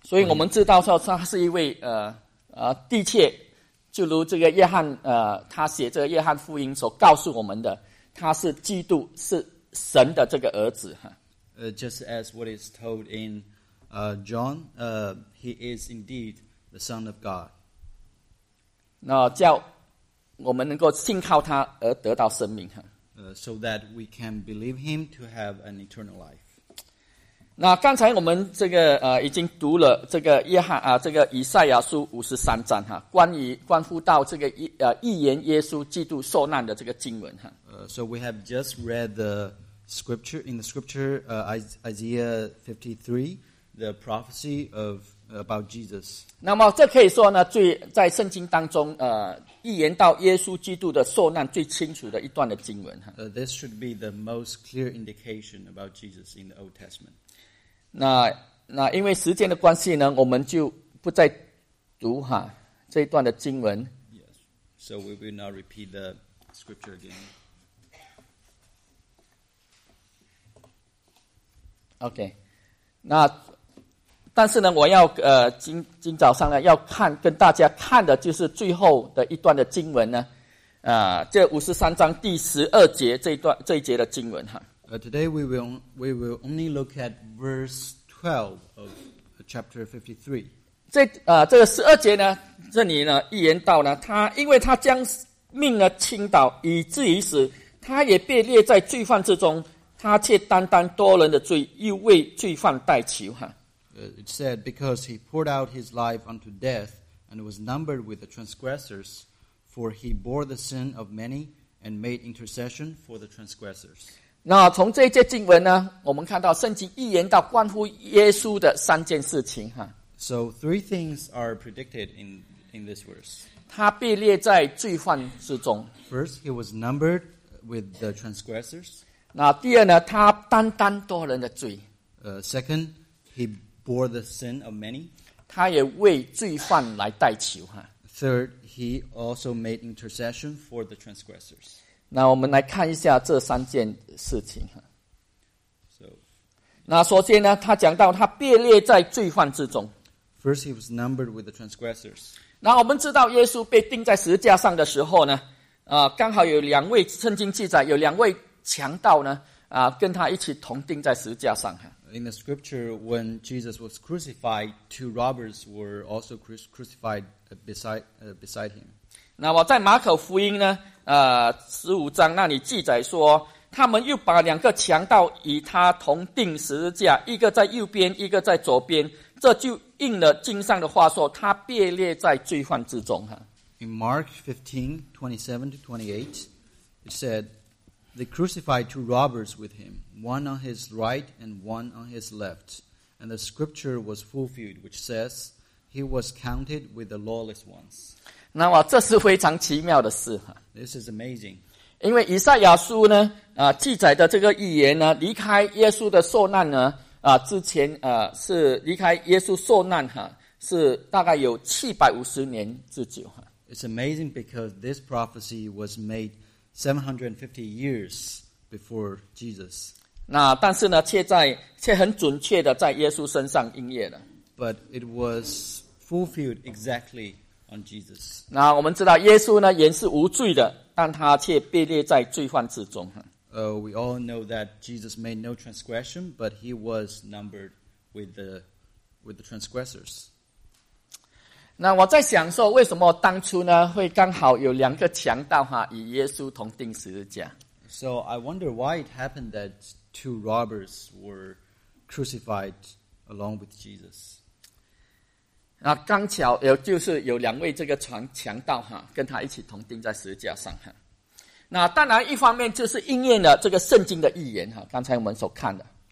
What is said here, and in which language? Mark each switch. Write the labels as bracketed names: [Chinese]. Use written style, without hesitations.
[Chinese] 所以我们知道说他是一位的确，就如这个约翰他写这个约翰福音所告诉我们的，他是基督，是神的这个儿子。 [English] Just as what is told in John, he is indeed. The Son of God. [Chinese] 那叫我们能够信靠他而得到生命。 [English] So that we can believe him to have an eternal life. [Chinese] 那刚才我们这个已经读了这个约翰这个以赛亚书53章哈，关乎到这个预言耶稣基督受难的这个经文哈。 [English] So we have just read the scripture in the scripture Isaiah 53, the prophecy of. About Jesus. [Chinese] 那么这可以说呢，最在圣经当中，预言到耶稣基督的受难最清楚的一段的经文哈。 [English] This should be the most clear indication about Jesus in the Old Testament. [Chinese] 那因为时间的关系呢，我们就不再读哈这一段的经文。 [English] Yes. So we will not repeat the scripture again. Okay. 那。 [Chinese] 但是呢，我要今早上呢要看跟大家看的就是最后的一段的经文呢，这53章第12节这一段这一节的经文哈。 [English] Today we will only look at verse 12 of chapter 53. [Chinese] 这个12节呢，这里呢预言到呢，他因为他将命呢倾倒，以至于死，他也被列在罪犯之中，他却担当多人的罪，又为罪犯代求哈。 [English] It said because he poured out his life unto death and was numbered with the transgressors. For he bore the sin of many and made intercession for the transgressors. [Chinese] 那从这一节经文呢，我们看到圣经预言到关乎耶稣的三件事情哈。 [English] So three things are predicted in this verse. [Chinese] 他被列在罪犯之中。 [English] First, he was numbered with the transgressors. [Chinese] 那第二呢，他担当多人的罪。 [English] Second, he bore the sin of many. [Chinese] 他也为罪犯来代求哈。 [English] Third. He also made intercession for the transgressors. [Chinese] 那我们来看一下这三件事情。 [English] So, [Chinese] 那首先呢，他讲到他被列在罪犯之中。 [English] First, he was numbered with the transgressors. [Chinese] 那我们知道耶稣被钉在十字架上的时候呢，刚好有两位圣经记载有两位强盗呢，跟他一起同钉在十字架上。 [English] In the scripture, when Jesus was crucified, two robbers were also crucified beside him. [Chinese] 那我在马可福音呢，十五章那里记载说，他们又把两个强盗与他同钉十字架，一个在右边，一个在左边，这就应了经上的话说，他被列在罪犯之中。 [English] In Mark 15:27-28, it said. They crucified two robbers with him, one on his right and one on his left. And the scripture was fulfilled, which says, he was counted with the lawless ones. [Chinese] 那么这是非常奇妙的事。 [English] This is amazing. [Chinese] 因为以赛亚书呢，记载的这个预言呢，离开耶稣的受难呢，之前，是离开耶稣受难，是大概有750年之久。 [English] It's amazing because this prophecy was made750 years before Jesus. [Chinese] 那但是呢，却很准确的在耶稣身上应验了。 [English] But it was fulfilled exactly on Jesus. [Chinese] 那我们知道耶稣呢，原是无罪的，但他却被列在罪犯之中。 [English] We all know that Jesus made no transgression, but he was numbered with the transgressors. [Chinese] 那我在想说，为什么当初呢会刚好有两个强盗哈与耶稣同钉十字架 [English] ？So I wonder why it happened that two robbers were crucified along with Jesus. [Chinese] 那刚巧有就是有两位这个强盗哈跟他一起同钉在十字架上哈。那当然一方面就是应验了这个圣经的预言哈，刚才我们所看的。